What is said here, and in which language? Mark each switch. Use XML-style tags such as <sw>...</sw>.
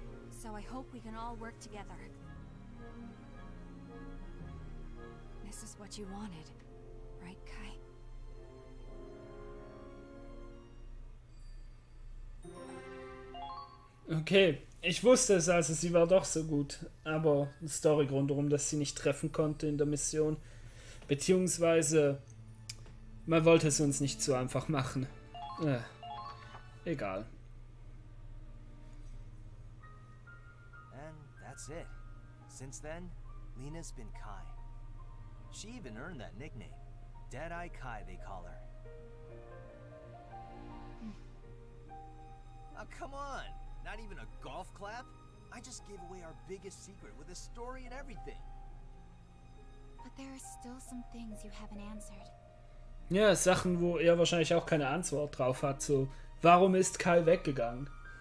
<en>So I hope we can all work together. This is what you wanted, right, Kai?</en> <de>Okay, ich wusste es also, sie war doch so gut. Aber die Story rundherum, dass sie nicht treffen konnte in der Mission. Beziehungsweise, man wollte es uns nicht so einfach machen. Egal.</de> <en>And that's it. Since then, Lena's been Kai. She even earned that nickname. Deadeye Kai, they call her. Oh, come on! Not even a golf clap? I just gave away our biggest secret with a story and everything. But there are still some things you haven't answered.</en> <de>Ja, Sachen, wo er wahrscheinlich auch keine Antwort drauf hat. So, warum ist Kai weggegangen?</de>